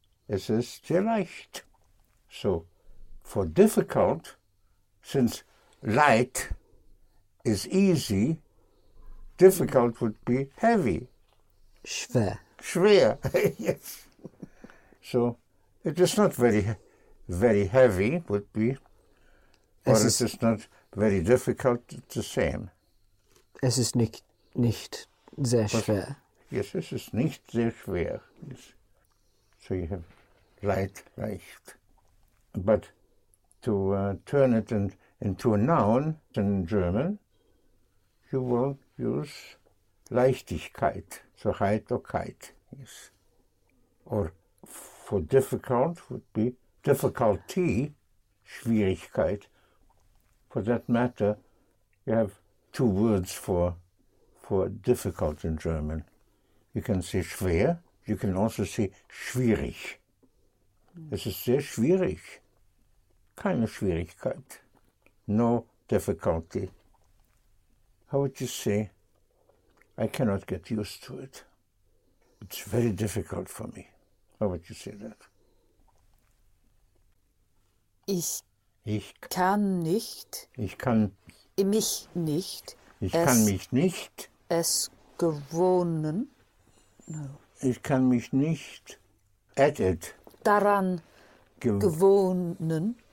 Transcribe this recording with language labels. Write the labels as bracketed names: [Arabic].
[German] Es ist sehr leicht. [English] So, for difficult, since light is easy, difficult would be heavy. [German] Schwer. Schwer, yes. [English] So, it is not very, very heavy, would be, or es is not very difficult, it's the same. [German] Es ist nicht sehr schwer. [English] But, [German] yes, es ist nicht sehr schwer. [English] Yes. So you have light, leicht. But to turn it into a noun in German, you will use Leichtigkeit, so Heiterkeit. Yes. Or for difficult would be difficulty, Schwierigkeit. For that matter, you have two words for difficult in German. You can say schwer, you can also say schwierig. [German] Es ist sehr schwierig. Keine Schwierigkeit. [English] No difficulty. How would you say, I cannot get used to it? It's very difficult for me. How would you say that? [German] Ich kann mich nicht [English] at it. [German] Daran gewöhnen.